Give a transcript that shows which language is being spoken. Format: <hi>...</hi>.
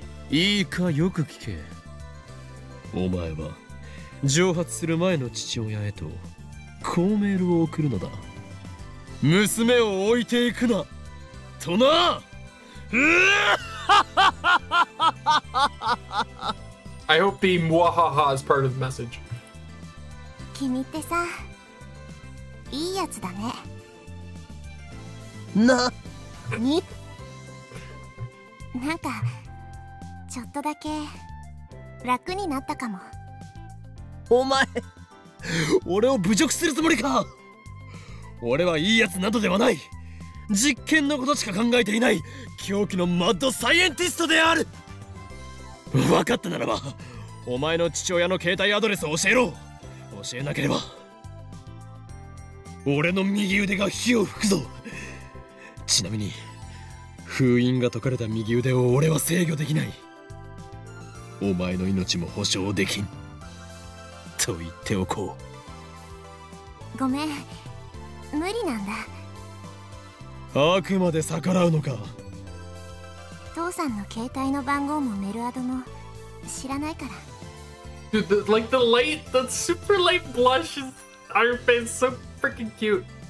<ja>いいかよく聞け。お前は蒸発する前の父親へとこうメールを送るのだ。娘を置いていくなとな。</ja> <en>I hope the muahaha is part of the message.</en> <ja>君ってさ、いいやつだね。な、に。なんかちょっとだけ楽になったかも。お前、俺を侮辱するつもりか。俺はいいやつなどではない。実験のことしか考えていない狂気のマッドサイエンティストである。分かったならばお前の父親の携帯アドレスを教えろ。教えなければ俺の右腕が火を吹くぞ。ちなみに封印が解かれた右腕を俺は制御できない。お前の命も保証できんと言っておこう。ごめん、無理なんだ。あくまで逆らうのか。父さんの携帯の番号もメルアドも知らないから。</ja> <en>Dude, the, like the light, the super light blushes on your face, so freaking cute.</en>